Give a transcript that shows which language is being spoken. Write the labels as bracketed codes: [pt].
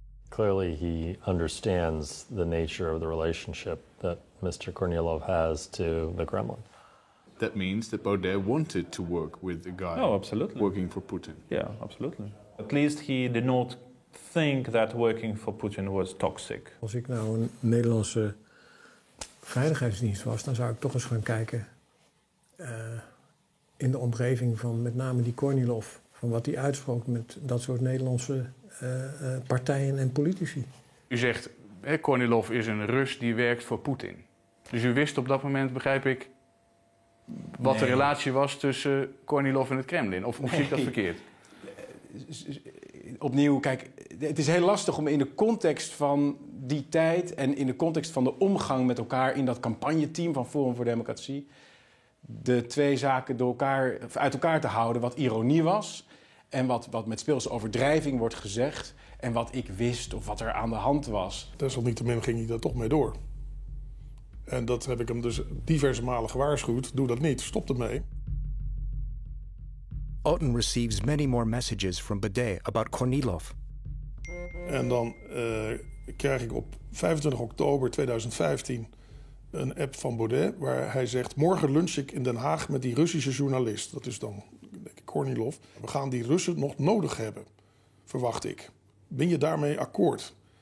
[en] Clearly, he understands the nature of the relationship that Mr. Kornilov has to the Kremlin. That means that Baudet wanted to work with a guy working for Putin. Yeah, absolutely. At least he did not think that working for Putin was toxic. [nl] Als ik nou een Nederlandse veiligheidsdienst was, dan zou ik toch eens gaan kijken in de omgeving van met name die Kornilov, van wat hij uitsprak met dat soort Nederlandse partijen en politici. U zegt, hè, Kornilov is een Rus die werkt voor Poetin. Dus u wist op dat moment, begrijp ik, wat de relatie was tussen Kornilov en het Kremlin. Of zie ik dat verkeerd? Opnieuw, kijk, het is heel lastig om in de context van die tijd en in de context van de omgang met elkaar in dat campagneteam van Forum voor Democratie de twee zaken door elkaar, uit elkaar te houden, wat ironie was en wat met speelse overdrijving wordt gezegd en wat ik wist of wat er aan de hand was. Desalniettemin ging hij daar toch mee door. En dat heb ik hem dus diverse malen gewaarschuwd. Doe dat niet, stop ermee. [en] Otten receives many more messages from Baudet about Kornilov. [nl] En dan krijg ik op 25 oktober 2015 een app van Baudet waar hij zegt, morgen lunch ik in Den Haag met die Russische journalist. Dat is dan denk ik, Kornilov. We gaan die Russen nog nodig hebben, verwacht ik. Ben je daarmee akkoord?